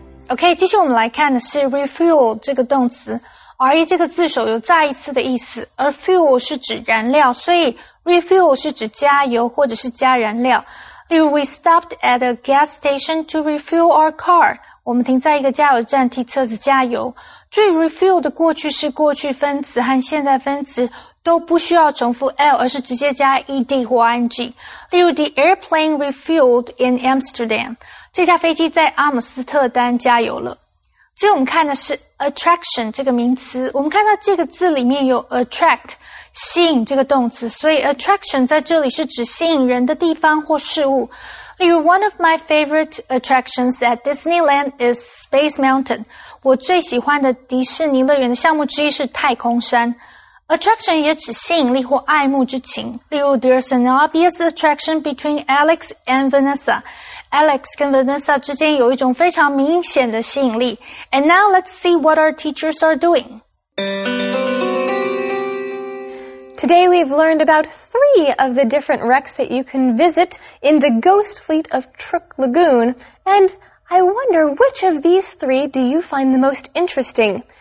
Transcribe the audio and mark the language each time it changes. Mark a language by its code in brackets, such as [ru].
[zh] OK, 继续我们来看的是 refuel 这个动词。RE 这个字首有再一次的意思，而 fuel 是指燃料，所以 refuel 是指加油或者是加燃料。例如 [en] ,we stopped at a gas station to refuel our car. [zh] 我们停在一个加油站替车子加油。注意 refuel 的过去式、过去分词和现在分词都不需要重复 L, 而是直接加 ED 或 ING。例如 [en] ,the airplane refueled in Amsterdam. [zh] 这架飞机在阿姆斯特丹加油了。所以我们看的是 attraction 这个名词，我们看到这个字里面有 attract 吸引这个动词，所以 attraction 在这里是指吸引人的地方或事物。例如 [en] One of my favorite attractions at Disneyland is Space Mountain. [zh] 我最喜欢的迪士尼乐园的项目之一是太空山。 Attraction 也指吸引力或爱慕之情。例如 [en] There's an obvious attraction between Alex and Vanessa. [zh] Alex 跟 Vanessa 之间有一种非常明显的吸引力。 [en] And now let's see what our teachers are doing. Today we've learned about three of the different wrecks that you can visit in the ghost fleet of Truk Lagoon. And I wonder which of these three do you find the most interesting?